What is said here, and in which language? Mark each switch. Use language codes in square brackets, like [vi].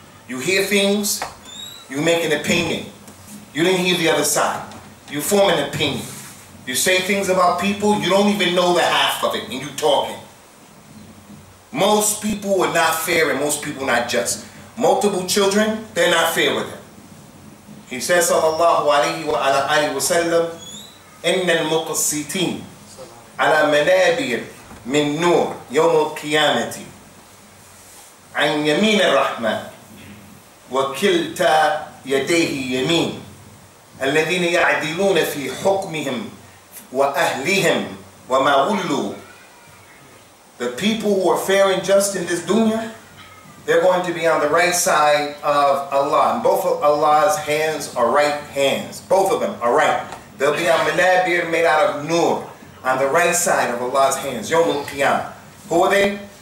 [en] You hear things, you make an opinion. You didn't hear the other side. You form an opinion. You say things about people, you don't even know the half of it, and you're talking. Most people are not fair and most people not just. Multiple children, they're not fair with them. He says, sallallahu alayhi wa alayhi wa sallam, [ar] إِنَّ الْمُقْسِطِينَ عَلَى مَنَابِرْ مِنْ نُورْ يَوْمُ الْقِيَامَةِ عَنْ يَمِينَ الرَّحْمَنِ وَكِلْتَ يَدَيْهِ يَمِينَ الَّذِينَ يَعْدِلُونَ فِي حُكْمِهِمْ وَأَهْلِهِمْ وَمَا غُلُّوا. [en] The people who are fair and just in this dunya, they're going to be on the right side of Allah. And both of Allah's hands are right hands. Both of them are right. They'll be on manabir made out of nur, on the right side of Allah's hands. Yawmul Qiyamah. Who are they?